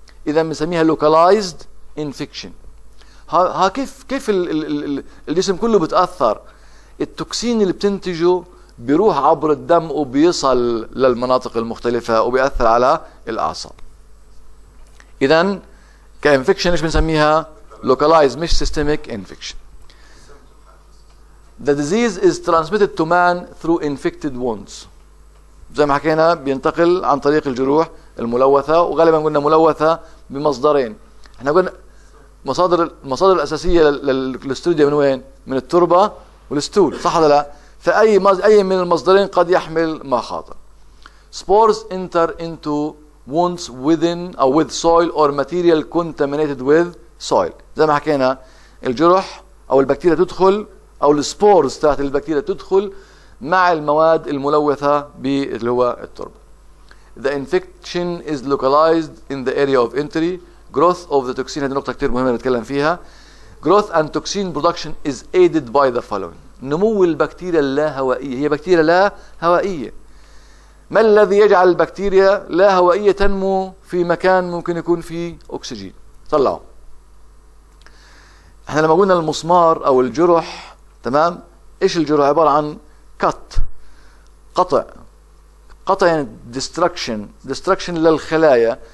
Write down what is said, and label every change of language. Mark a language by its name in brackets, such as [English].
[Arabic] إذا بنسميها localized infection. ها كيف الجسم كله بتأثر؟ التوكسين اللي بتنتجه بيروح عبر الدم وبيصل للمناطق المختلفة وبيأثر على الأعصاب. إذا كإنفكشن إيش بنسميها؟ localized مش systemic infection. [English] The disease is transmitted to man through infected wounds. [Arabic] زي ما حكينا بينتقل عن طريق الجروح الملوثة، وغالبا قلنا ملوثة بمصدرين. احنا قلنا المصادر الأساسية للستوديا من وين؟ من التربة والستول، صح ولا لا؟ فأي أي من المصدرين قد يحمل مخاطر. [English] Spores enter into wounds within or with soil or material contaminated with soil. [Arabic] زي ما حكينا الجروح أو البكتيريا تدخل، أو السبورز تاعت البكتيريا تدخل مع المواد الملوثة اللي هو التربة. [English] The infection is localized in the area of entry. Growth of the toxin. [Arabic] هذه نقطة كتير مهمة نتكلم فيها. [English] Growth and toxin production is aided by the following. [Arabic] نمو البكتيريا اللا هوائية. هي بكتيريا لا هوائية. ما الذي يجعل البكتيريا لا هوائية تنمو في مكان ممكن يكون فيه أكسجين؟ طلعوا. احنا لما قلنا المسمار أو الجرح، تمام، ايش الجرح؟ عباره عن كات، قطع يعني destruction للخلايا.